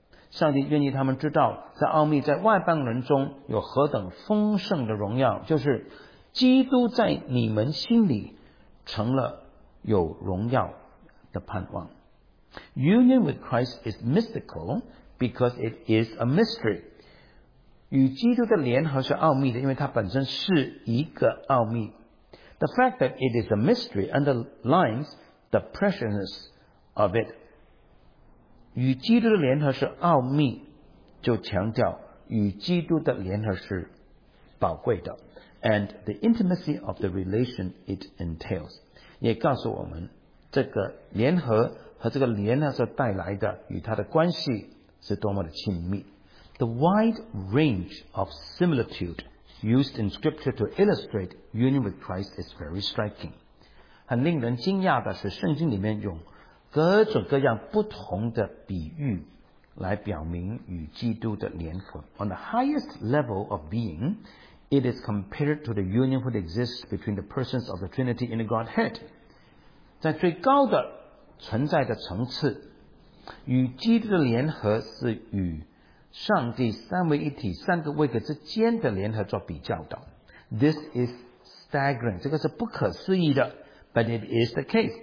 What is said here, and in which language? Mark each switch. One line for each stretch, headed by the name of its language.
Chinese: 上帝愿意他们知道，这奥秘在外邦人中有何等丰盛的荣耀，就是基督在你们心里成了有荣耀的盼望。
English: Union with Christ is mystical because it is a mystery.
Chinese: 与基督的联合是奥秘的，因为它本身是一个奥秘。
English: The fact that it is a mystery underlines the preciousness of it.
Chinese: 与基督的联合是奥秘，就强调与基督的联合是宝贵的。
English: And the intimacy of the relation it entails.
Chinese: 也告诉我们，这个联合和这个联合所带来的与它的关系是多么的亲密。
English: The wide range of similitude used in Scripture to illustrate union with Christ is very striking.
Chinese: 很令人惊讶的是，圣经里面用各种各样不同的比喻来表明与基督的联合。
English: On the highest level of being, it is compared to the union which exists between the persons of the Trinity in the Godhead.
Chinese: 在最高的存在的层次，与基督的联合是与上帝三位一体三个位格之间的联合做比较的。
English: This is staggering,
Chinese: 这个是不可思议的。
English: But it is the case,